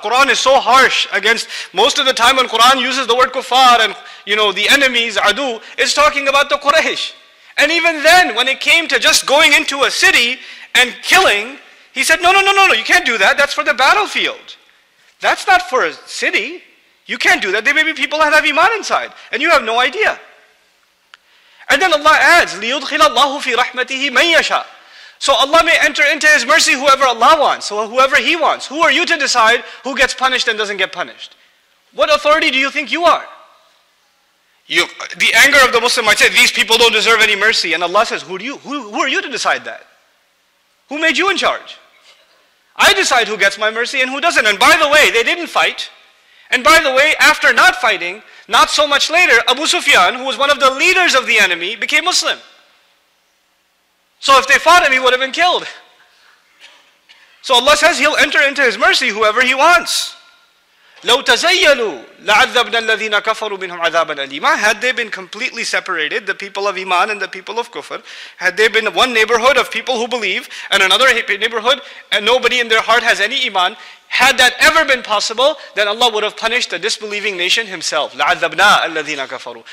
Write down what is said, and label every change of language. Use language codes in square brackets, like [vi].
[en] Quran is so harsh against, most of the time when Quran uses the word kuffar and, you know, the enemies, adu, it's talking about the Quraysh. And even then, when it came to just going into a city and killing, He said, no, you can't do that. That's for the battlefield. That's not for a city. You can't do that. There may be people that have iman inside, and you have no idea. [ar] And then Allah adds, لِيُدْخِلَ اللَّهُ فِي رَحْمَتِهِ مَنْ يَشَاءُ. [en] So Allah may enter into His mercy whoever Allah wants, so whoever He wants. Who are you to decide who gets punished and doesn't get punished? What authority do you think you are? The anger of the Muslim might say, these people don't deserve any mercy. And Allah says, who are you to decide that? Who made you in charge? I decide who gets my mercy and who doesn't. And by the way, they didn't fight. And by the way, after not fighting, not so much later, Abu Sufyan, who was one of the leaders of the enemy, became Muslim. So if they fought him, he would have been killed. So Allah says, He'll enter into His mercy whoever He wants. [ar] لو تزيلوا لعذبنا الذين كفروا منهم عذابا أليما. [en] Had they been completely separated, the people of Iman and the people of Kufr, had they been one neighborhood of people who believe and another neighborhood and nobody in their heart has any Iman, had that ever been possible, then Allah would have punished the disbelieving nation Himself. [ar] لعذبنا الذين كفروا.